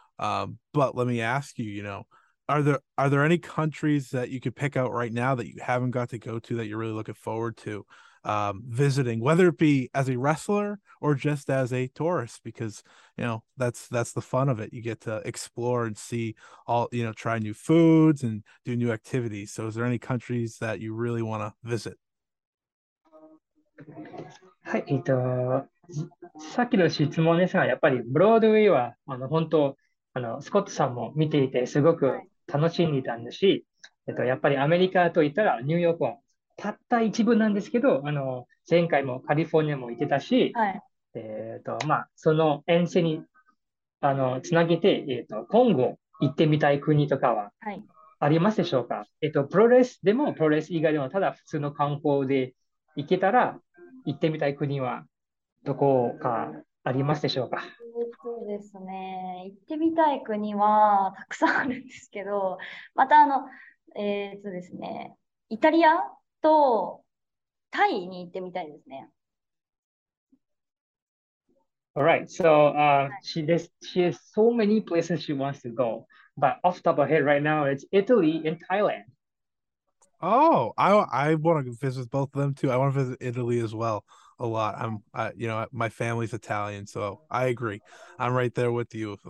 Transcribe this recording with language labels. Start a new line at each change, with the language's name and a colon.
English: But let me ask you, you know, are there any countries that you could pick out right now that you haven't got to go to that you're really looking forward to visiting, whether it be as a wrestler or just as a tourist? Because, you know, that's the fun of it. You get to explore and see all, you know, try new foods and do new activities. So is there any countries that you really want to visit?
Japanese: はい、さっきの質問ですが、やっぱりブロードウェイは本当スコットさんも見ていてすごく楽しんでいたんですし、やっぱりアメリカといったらニューヨークはたった一部なんですけど、前回もカリフォルニアも行ってたし、はい、まあ、その遠征にあの、つなげて、今後行ってみたい国とかはありますでしょうか、はい、プロレスでもプロレス以外でもただ普通の観光で行けたら行ってみたい国はどこかありますでしょうか。そうですね、行ってみたい国はたくさんあるんですけど、またあの、ですね、イタリアとタイに行ってみたいですね。
English: Alright, so、はい、she has so many places she wants to go, but off the top of her head right now, it's Italy and Thailand. Oh, I want to visit both of them too. I want to visit Italy as well. A lot. I'm, you know, my family's Italian, so I agree. I'm right there with you.